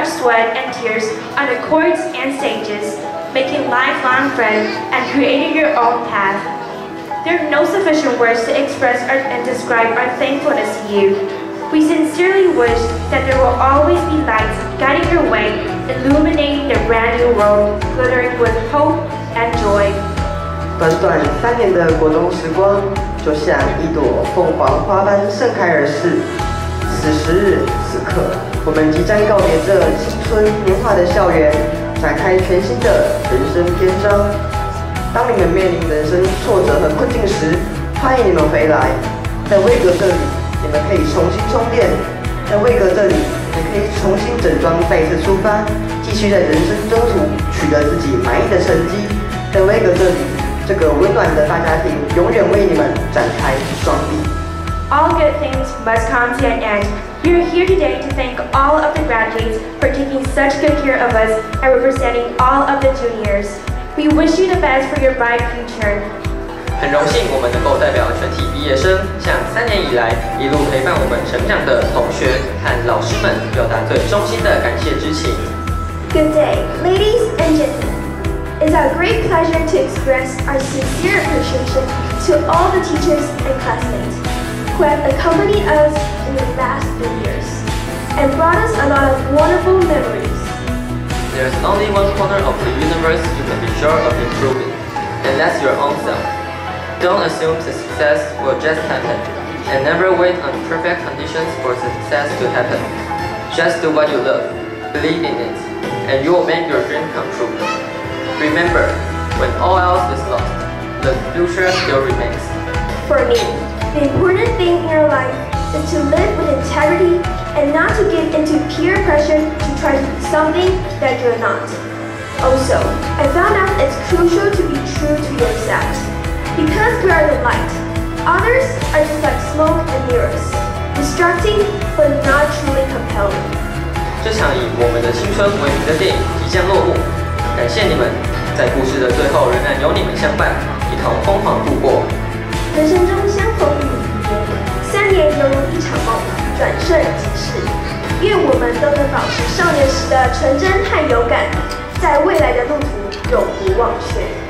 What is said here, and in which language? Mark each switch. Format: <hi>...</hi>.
<en>And tears on the courts and stages, making lifelong friends and creating your own path. There are no sufficient words to express and describe our thankfulness to you. We sincerely wish that there will always be lights guiding your way, illuminating the brand new world, glittering with hope and joy.</en> <zh>短短三年的国中时光，就像一朵凤凰花般盛开而逝。此时此刻，我们即将告别这青春年华的校园，展开全新的人生篇章。当你们面临人生挫折和困境时，欢迎你们回来。在威格这里，你们可以重新充电；在威格这里，你们可以重新整装，再一次出发，继续在人生征途取得自己满意的成绩。在威格这里，这个温暖的大家庭永远为你们展开双臂。</zh> <en>All good things must come to an end. We are here today to thank all of the graduates for taking such good care of us and representing all of the juniors. We wish you the best for your bright future.</en> <zh>很荣幸我们能够代表全体毕业生，向三年以来一路陪伴我们成长的同学和老师们表达最衷心的感谢之情。</zh> <en>Good day, ladies and gentlemen. It's our great pleasure to express our sincere appreciation to all the teachers and classmates. Who have accompanied us in the last 3 years and brought us a lot of wonderful memories. There's only one corner of the universe you can be sure of improving, and that's your own self. Don't assume the success will just happen, and never wait on perfect conditions for success to happen. Just do what you love, believe in it, and you will make your dream come true. Remember, when all else is lost, the future still remains. For me,The important thing in your life is to live with integrity and not to give into peer pressure to try to be something that you're not. Also, I found out it's crucial to be true to yourself. Because we are the light, others are just like smoke and mirrors, distracting but not truly compelling.</en> <zh>这场以我们的青春为名的电影即将落幕，感谢你们，在故事的最后仍然有你们相伴，一同疯狂度过。人生中相逢与离别，三年犹如一场梦，转瞬即逝。愿我们都能保持少年时的纯真和勇敢，在未来的路途永不忘却。</zh>